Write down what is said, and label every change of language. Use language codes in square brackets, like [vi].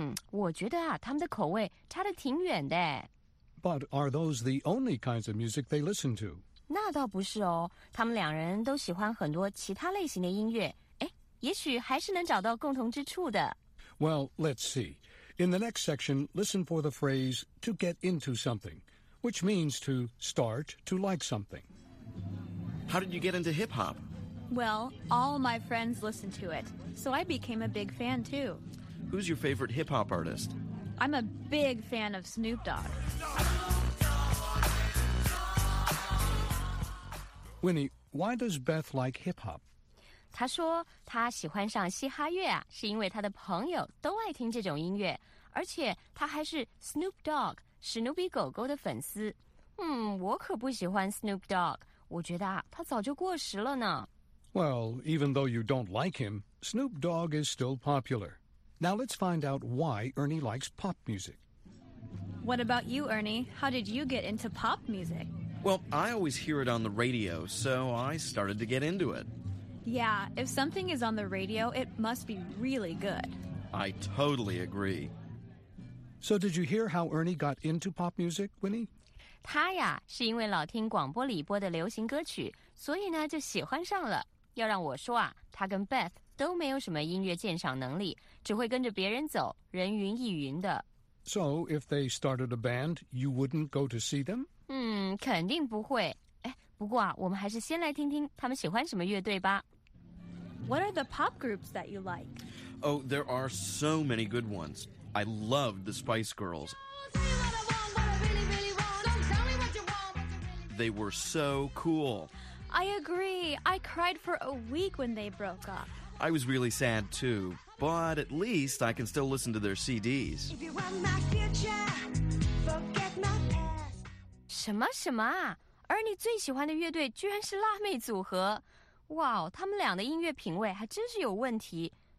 [zh] 我觉得啊他们的口味差得挺远的。 [en] But are those the only kinds of music they listen to? [zh] 那倒不是哦，他们两人都喜欢很多其他类型的音乐，哎，也许还是能找到共同之处的。 [en] Well, let's see. In the next section, listen for the phrase to get into something, which means to start to like something. How did you get into hip-hop? Well, all my friends listen to it, so I became a big fan too. Who's your favorite hip-hop artist? I'm a big fan of Snoop Dogg. Winnie, why does Beth like hip-hop? [zh] 她说她喜欢上嘻哈乐啊，是因为她的朋友都爱听这种音乐，而且她还是 Snoop Dogg, 史努比狗狗的粉丝。我可不喜欢 Snoop Dogg, 我觉得啊，他早就过时了呢。 [en] Well, even though you don't like him, Snoop Dogg is still popular. Now let's find out why Ernie likes pop music. What about you, Ernie? How did you get into pop music? Well, I always hear it on the radio, so I started to get into it. Yeah, if something is on the radio, it must be really good. I totally agree. So did you hear how Ernie got into pop music, Winnie? [zh] 他呀，是因为老听广播里播的流行歌曲，所以呢，就喜欢上了。要让我说啊，他跟 Beth 都没有什么音乐鉴赏能力，只会跟着别人走，人云亦云的。 [en] So if they started a band, you wouldn't go to see them? [zh] 肯定不会。不过啊，我们还是先来听听他们喜欢什么乐队吧。 [en] What are the pop groups that you like? Oh, there are so many good ones. I love the Spice Girls. They were so cool. I agree. I cried for a week when they broke up. I was really sad too, but at least I can still listen to their CDs. If you want my future, [zh] 什么什么啊！而你最喜欢的乐队居然是辣妹组合，哇哦！他们俩的音乐品味还真是有问题。